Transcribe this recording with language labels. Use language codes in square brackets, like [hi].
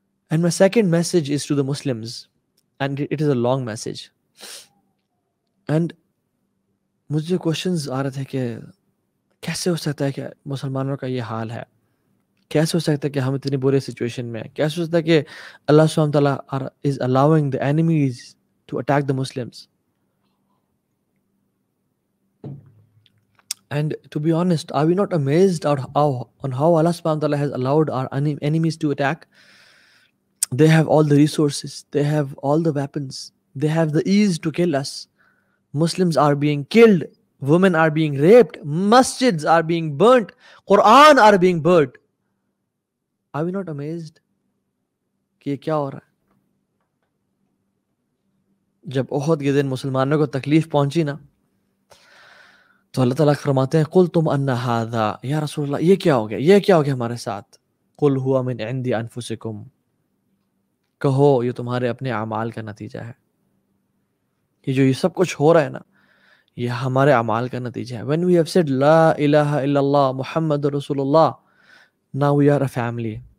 [en] and my second message is to the Muslims and it is a long message and [ur] مجھے questions آ رہے تھے کہ کیسے ہو سکتا ہے کہ مسلمانوں کا یہ حال ہے کیسے ہو سکتا ہے کہ ہم اتنی برے سچویشن میں ہیں کیسے ہو سکتا ہے کہ اللہ سبحانہ وتعالیٰ [en] Is allowing the enemies to attack the Muslims And to be honest, are we not amazed on how Allah subhanahu wa ta'ala has allowed our enemies to attack? They have all the resources. They have all the weapons. They have the ease to kill us. Muslims are being killed. Women are being raped. Masjids are being burnt. Quran are being burnt. Are we not amazed? [ur] کہ یہ کیا ہو رہا ہے؟ جب احد کے دن مسلمانوں کو تکلیف پہنچی نا تو اللہ تعالیٰ فرماتے ہیں [ar] قل تم ان ھذا [ur] یا رسول اللہ یہ کیا ہو گیا یہ کیا ہو گیا ہمارے ساتھ [ar] قل ہوا من عند انفسکم [ur] کہو یہ تمہارے اپنے اعمال کا نتیجہ ہے یہ جو یہ سب کچھ ہو رہا ہے نا یہ ہمارے اعمال کا نتیجہ ہے [en] when we have said [ar] لا الہ الا اللہ محمد رسول اللہ [en] now we are a family